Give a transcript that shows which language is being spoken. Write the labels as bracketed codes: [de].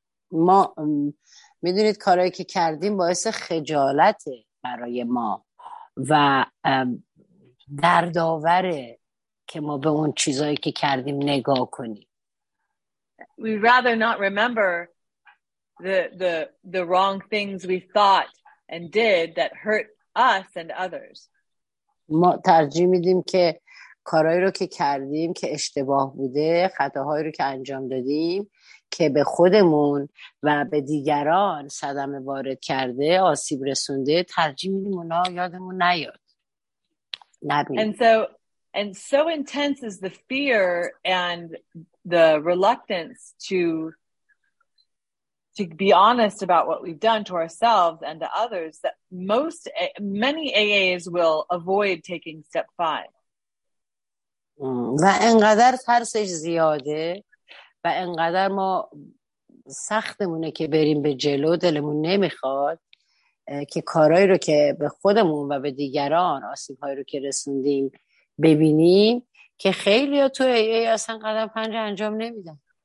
[fa] ما میدونید کارهایی که کردیم باعث خجالت برای ما و دردآوره که ما به اون چیزایی که کردیم نگاه کنیم. [en] We'd rather not remember the wrong things we thought and did that hurt us and others. [fa] ما ترجیح میدیم که کارهایی رو که کردیم که اشتباه بوده، خطاهایی رو که انجام دادیم که به خودمون و به دیگران صدمه وارد کرده، آسیب رسونده، ترجیح میدیم اونا یادمون نیاد. [en] And so intense is the fear and the reluctance to be honest about what we've done to ourselves and to others that many AAs will avoid taking step 5. [fa] و انقدر ترسش زیاده و انقدر ما سختمونه که بریم به جلو، دلمون نمیخواد که کارهایی رو که به خودمون و به دیگران آسیبهایی رو که رسوندیم ببینیم که خیلی ها تو AA اصلا قدم 5 انجام نمیدن.